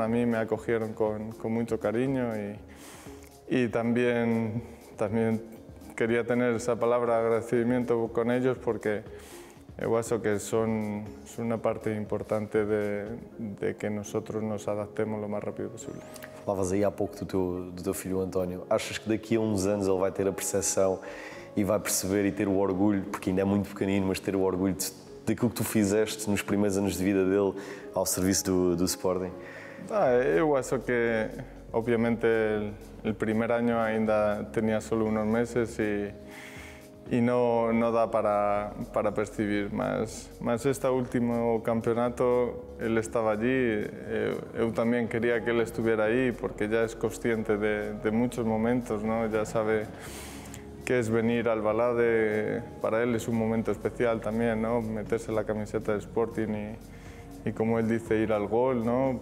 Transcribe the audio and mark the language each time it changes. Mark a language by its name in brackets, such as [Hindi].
[Spanish] A mí me acogieron con mucho cariño y también quería tener esa palabra de agradecimiento con ellos porque eso que son una parte importante de que nosotros nos adaptemos lo más rápido posible. [Portuguese] Falabas aí há pouco do teu filho António. Achas que daqui a uns anos ele vai ter a percepção e vai perceber e ter o orgulho, porque ainda é muito pequenino, mas ter o orgulho daquilo que tu fizeste nos primeiros anos de vida dele ao serviço do Sporting? Ah, eu acho que, obviamente, o primeiro ano ainda tinha só uns meses e não dá para percibir, mas este último campeonato ele estava ali, eu também queria que ele estivesse aí, porque já é consciente de muitos momentos, ¿no? Já sabe que [Spanish] es venir al Balade, para él es un momento especial también, ¿no? Meterse la camiseta de Sporting y como él dice, ir al gol, ¿no?